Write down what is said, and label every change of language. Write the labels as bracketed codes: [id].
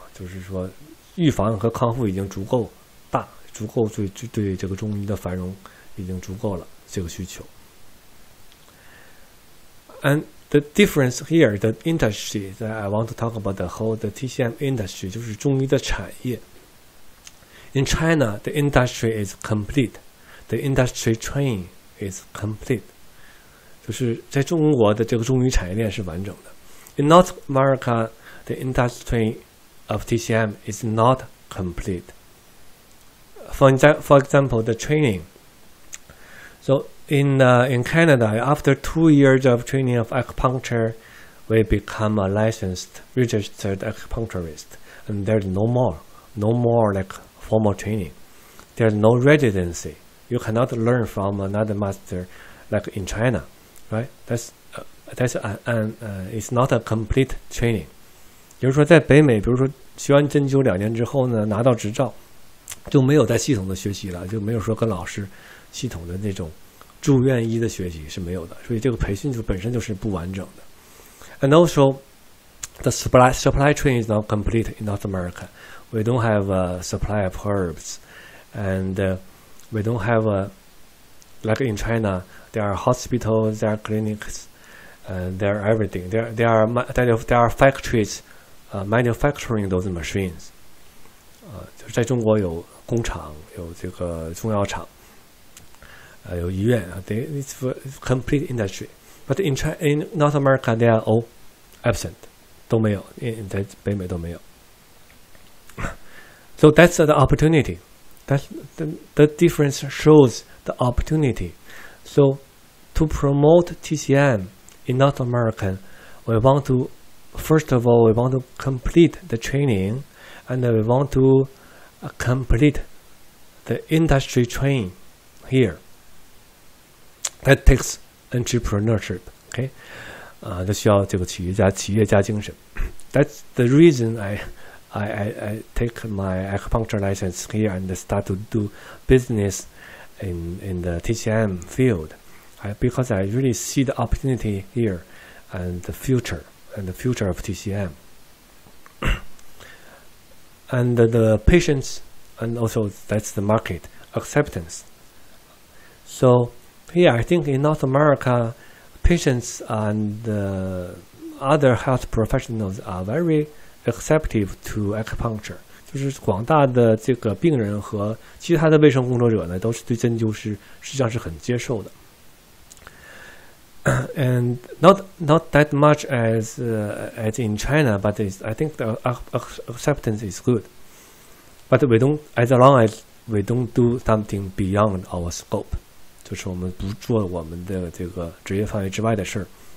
[zh] 就是说预防和康复已经足够大，足够对这个中医的繁荣已经足够了。这个需求。 [en] And the difference here, the industry that I want to talk about, the whole the TCM industry, [zh] 就是中医的产业。 [en] In China, the industry is complete. The industry chain is complete. [zh] 就是在中国的这个中医产业链是完整的。 [en] In North America, the industry of TCM is not complete. For example, the training. So in Canada, after 2 years of training of acupuncture, we become a licensed, registered acupuncturist. And there's no more like formal training. There's no residency. You cannot learn from another master like in China, right? It's not a complete training. [zh] 比如说在北美，比如说学完针灸两年之后呢，拿到执照，就没有再系统的学习了，就没有说跟老师系统的那种住院医的学习是没有的，所以这个培训就本身就是不完整的。 [en] And also, the supply chain is not complete in North America. We don't have a supply of herbs, and we don't have a, like in China, there are hospitals, there are clinics, there are everything. There are factories. Manufacturing those machines, [zh] 就在中国有工厂，有这个中药厂，有医院啊。 [en] It's a complete industry, but in North America they are all absent, [zh] 都没有，在北美都没有。 [en] So that's the opportunity. That's the difference shows the opportunity. So to promote TCM in North America, we want to. First of all, we want to complete the training, and we want to complete the industry train here. That takes entrepreneurship, okay? [zh] 这需要这个企业家精神。 [en] That's the reason I take my acupuncture license here and start to do business in the TCM field. Because I really see the opportunity here and the future. And the future of TCM. And the patients, and also that's the market acceptance. So, here I think in North America, patients and other health professionals are very receptive to acupuncture. [zh] 就是广大的这个病人和其他的卫生工作者呢，都是对针灸是实际上是很接受的。 [en] And not that much as in China, but I think the acceptance is good. But we don't, as long as we don't do something beyond our scope, [zh] 就是我们不做我们的这个职业范围之外的事儿。